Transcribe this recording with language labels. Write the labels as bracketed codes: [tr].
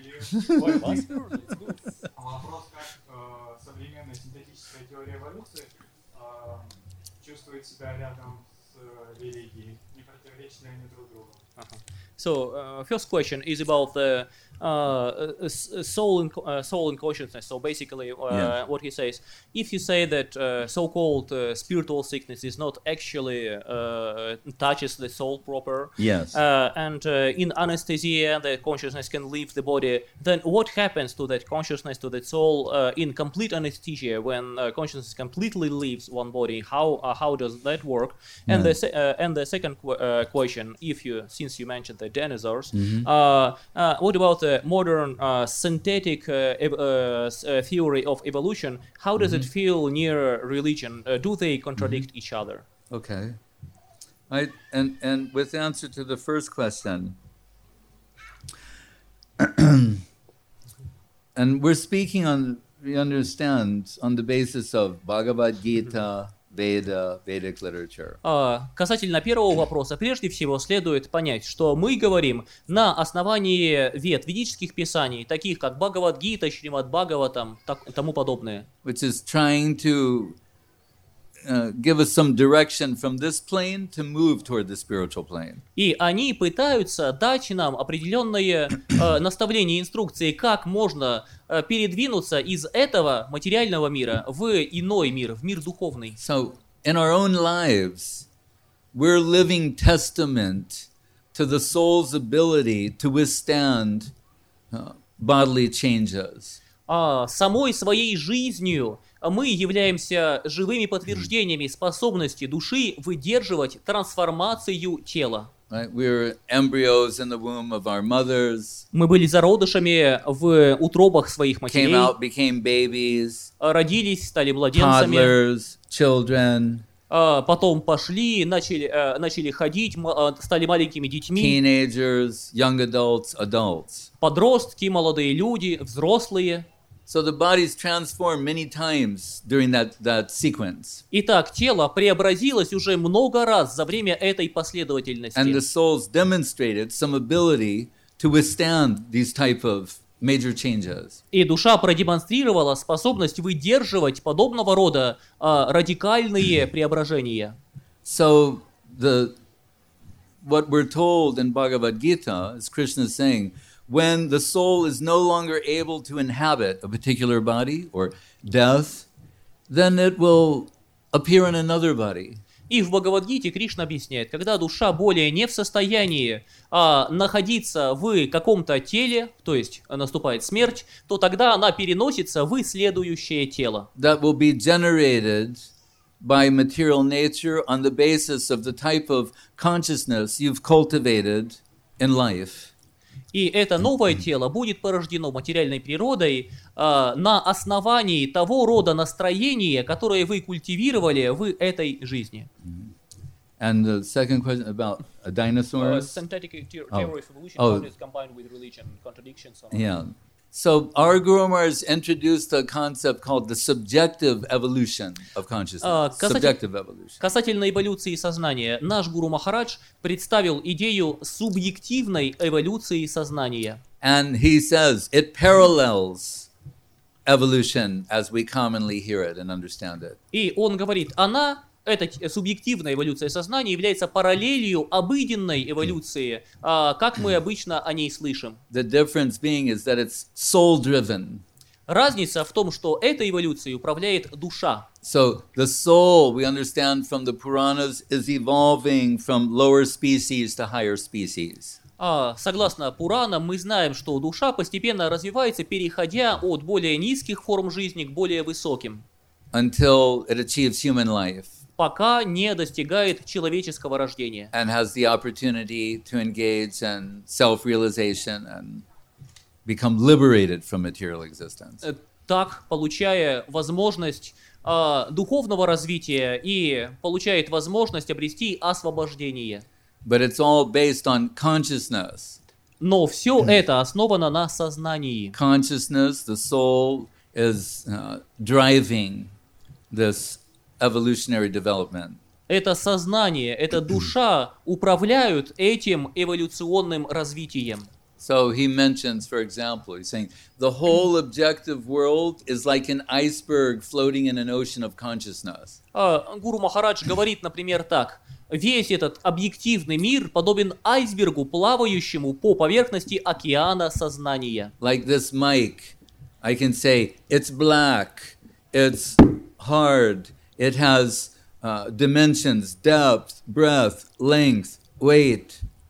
[ru] Вопрос, как современная синтетическая теория эволюции чувствует себя рядом с религией, не противоречит ли они друг другу? [en] So, first question is about the soul and consciousness. So, basically, what he says, if you say that so-called spiritual sickness is not actually touches the soul proper, and in anesthesia the consciousness can leave the body, then what happens to that consciousness, to that soul, in complete anesthesia, when consciousness completely leaves one body? How does that work? Yeah. And the second question, since you mentioned the dinosaurs, what about the modern synthetic theory of evolution? How does it feel near religion? Do they contradict each other? Okay. And with the answer to the first question, and we're speaking on, we understand, on the basis of Bhagavad Gita, Veda, Vedic literature. [ru] Касательно первого вопроса, прежде всего следует понять, что мы говорим на основании вед, ведических писаний, таких как Бхагавад Гита, Шримад Бхагаватам, тому подобное. [en] Which is trying to give us some direction from this plane to move toward the spiritual plane. [ru] И они пытаются дать нам определенные наставления, инструкции, как можно передвинуться из этого материального мира в иной мир, в мир духовный. [en] So in our own lives, we're living testament to the soul's ability to withstand bodily changes. [ru] Самой своей жизнью мы являемся живыми подтверждениями способности души выдерживать трансформацию тела. [en] Right? We were embryos in the womb of our mothers. [ru] Мы были зародышами в утробах своих матерей. [en] Came out, became babies. [ru] Родились, стали младенцами. [en] Toddlers, children. [ru] Потом пошли, начали ходить, стали маленькими детьми. [en] Teenagers, young adults, adults. [ru] Подростки, молодые люди, взрослые. [en] So the body's transformed many times during that sequence. [ru] Итак, тело преобразилось уже много раз за время этой последовательности. [en] And the soul's demonstrated some ability to withstand these type of major changes. [ru] И душа продемонстрировала способность выдерживать подобного рода радикальные преображения. [en] So what we're told in Bhagavad Gita is Krishna saying, when the soul is no longer able to inhabit a particular body or death, then it will appear in another body. [ru] И в Бхагавад-гите Кришна объясняет, когда душа более не в состоянии находиться в каком-то теле, то есть наступает смерть, то тогда она переносится в следующее тело. [en] That will be generated by material nature on the basis of the type of consciousness you've cultivated in life. [ru] И это новое тело будет порождено материальной природой на основании того рода настроения, которое вы культивировали в этой жизни. [en] And the second question about dinosaurs. Synthetic theory of evolution, how it's combined with religion, contradictions. So our Guru Maharaj introduced a concept called the subjective evolution of consciousness. Subjective evolution. [ru] Касательно эволюции сознания, наш Гуру Махарадж представил идею субъективной эволюции сознания. [en] And he says it parallels evolution as we commonly hear it and understand it. [ru] И он говорит, она, эта субъективная эволюция сознания, является параллелью обыденной эволюции, как мы обычно о ней слышим. [en] The difference being is that it's soul-driven. [ru] Разница в том, что этой эволюцией управляет душа. [en] So the soul, we understand from the Puranas, is evolving from lower species to higher species. [ru] Согласно Пуранам, мы знаем, что душа постепенно развивается, переходя от более низких форм жизни к более высоким. [en] Until it achieves human life. [ru] Пока не достигает человеческого рождения. [en] And has the opportunity to engage in self-realization and become liberated from material existence. [ru] Так, получая возможность духовного развития и получает возможность обрести освобождение. [en] But it's all based on consciousness. [ru] Но все это основано на сознании. [en] Consciousness, the soul, is driving this evolutionary development. [ru] Это сознание, эта душа управляют этим эволюционным развитием. [en] So he mentions, for example, he's saying, the whole objective world is like an iceberg floating in an ocean of consciousness. [ru] Гуру Махарадж говорит, например, так. Весь этот объективный мир подобен айсбергу, плавающему по поверхности океана сознания. [en] Like this mic, I can say, it's black, it's hard, it has dimensions, depth, breadth, length, weight.